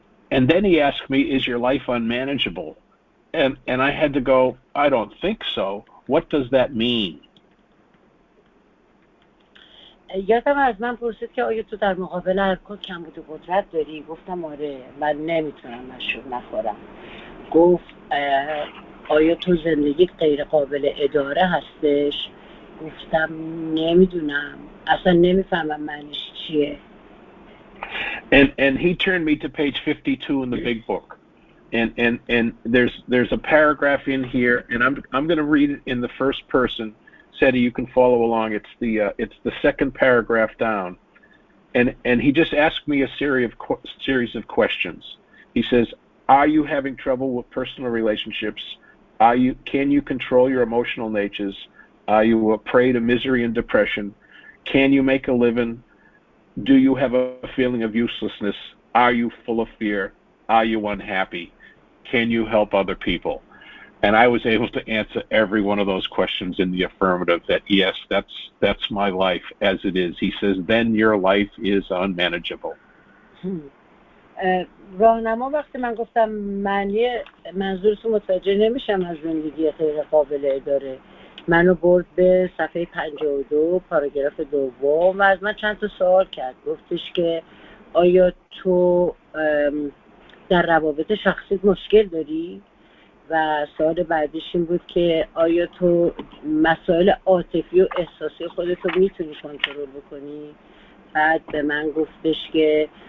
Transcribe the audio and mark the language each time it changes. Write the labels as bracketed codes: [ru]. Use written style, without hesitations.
[en] And then he asked me, is your life unmanageable? And I had to go, I don't think so. What does that mean? [fa] یادم از من پرسید که آیا تو در مقابل الکل کم بود و قدرت داری؟ گفتم آره، من نمیتونم مشروب نخورم. گفت آیا تو زندگی غیر قابل اداره هستش؟ گفتم نمیدونم، اصلا نمیفهمم معنیش چیه. [en] And he turned me to page 52 in the big book. And there's a paragraph in here, and I'm going to read it in the first person. Seti, you can follow along. It's the second paragraph down. And he just asked me a series of questions. He says, are you having trouble with personal relationships? Can you control your emotional natures? Are you a prey to misery and depression? Can you make a living? Do you have a feeling of uselessness? Are you full of fear? Are you unhappy? Can you help other people? And I was able to answer every one of those questions in the affirmative that, yes, that's my life as it is. He says, then your life is unmanageable. [fa] راهنما وقتی من گفتم معنی منظورتون متوجه نمیشم از زندگی غیر قابل اداره، منو برد به صفحه 52 پاراگراف دوم و از من چند تا سوال کرد. گفتش که آیا تو در روابط شخصیت مشکل داری؟ و سوال بعدیش این بود که آیا تو مسائل عاطفی و احساسی خودتو میتونی کنترل بکنی؟ بعد به من گفتش که